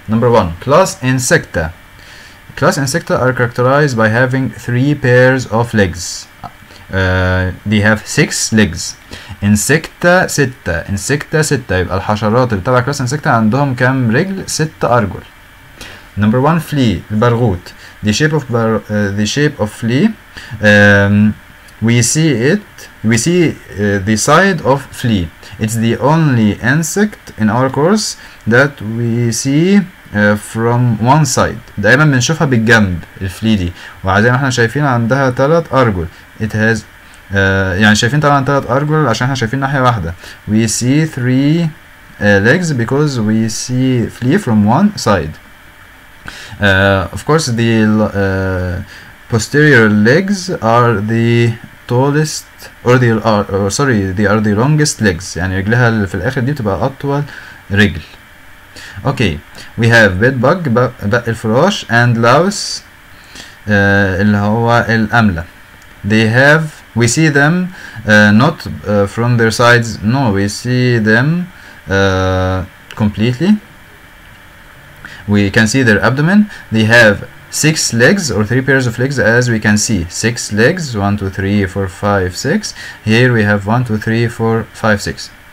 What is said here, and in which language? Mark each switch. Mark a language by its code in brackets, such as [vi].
[en] Number one, class Insecta. Class Insecta are characterized by having three pairs of legs. They have six legs. [ar] انسكتا ستة، انسكتا ستة، يبقى الحشرات اللي تبع كلاس انسكتا عندهم كام رجل؟ 6 أرجل. نمبر 1 فلي، البرغوت. [en] the shape of bar, the shape of flea we see it we see the side of flea. It's the only insect in our course that we see from one side. [ar] دايما بنشوفها بالجنب الفلي دي، وزي ما احنا شايفين عندها 3 أرجل. [en] It has [ar] يعني شايفين طبعا 3 أرجل عشان احنا شايفين ناحية واحدة. [en] We see 3 legs because we see flea from one side. Of course the posterior legs are the tallest or the or sorry they are the longest legs. [ar] يعني رجلها اللي في الآخر دي بتبقى أطول رجل. [en] Okay, we have bed bug [ar] بق الفراش [en] and louse [ar] اللي هو الأملة. [en] They have we see them not from their sides. No, we see them completely. We can see their abdomen. They have 6 legs or 3 pairs of legs, as we can see. 6 legs, 1, 2, 3, 4, 5, 6. Here we have 1, 2, 3, 4, 5, 6.